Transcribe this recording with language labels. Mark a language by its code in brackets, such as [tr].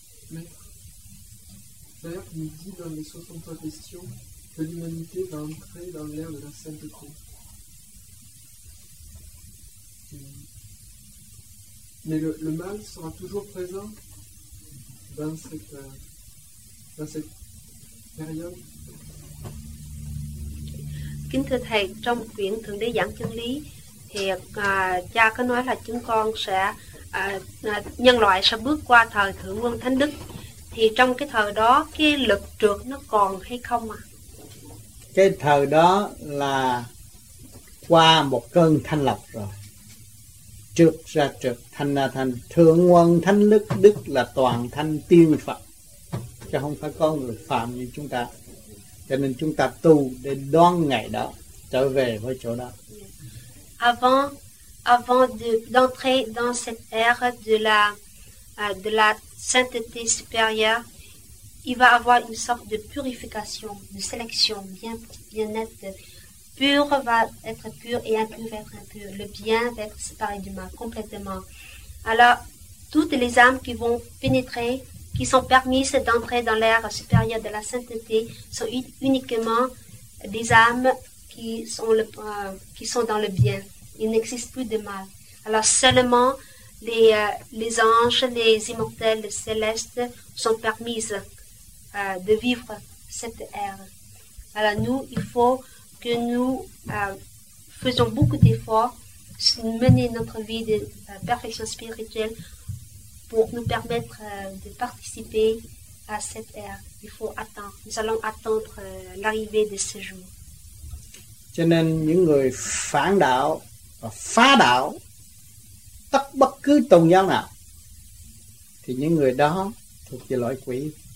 [fr] Maître, l'air nous dit dans les 63 questions que l'humanité va entrer dans l'ère de la 5e. Mais le mal sera toujours présent dans cette période. [vi] Kính thưa thầy, trong quyển Thượng Đế giảng chân lý thì cha có nói là chúng con sẽ nhân loại sẽ bước qua thời Thượng Quân Thánh Đức, thì trong cái thời đó cái lực trượt nó còn hay không ạ? Cái thời đó là qua một cơn thanh lọc rồi, trượt ra trượt, thanh ra thanh, Thượng Quân Thánh Đức, Đức là toàn thanh tiên Phật, chứ không phải có người phàm như chúng ta. Cho nên chúng ta tu để đón ngày đó, trở về với chỗ đó. [fr] Avant d'entrer dans cette ère de la sainteté supérieure, il va avoir une sorte de purification, de sélection bien, bien nette. Pur va être pur et impur va être impur. Le bien va être séparé du mal complètement. Alors, toutes les âmes qui vont pénétrer, qui sont permises d'entrer dans l'ère supérieure de la sainteté, sont uniquement des âmes qui sont dans le bien. Il n'existe plus de mal. Alors seulement les anges, les immortels, les célestes sont permises de vivre cette ère. Alors nous, il faut que nous faisons beaucoup d'efforts pour mener notre vie de perfection spirituelle pour nous permettre de participer à cette ère. Il faut attendre. Nous allons attendre l'arrivée de ce jour. [vi] Cho nên những người phản đạo và phá đạo tất bất cứ tôn giáo nào thì những người đó thuộc về loại quỷ.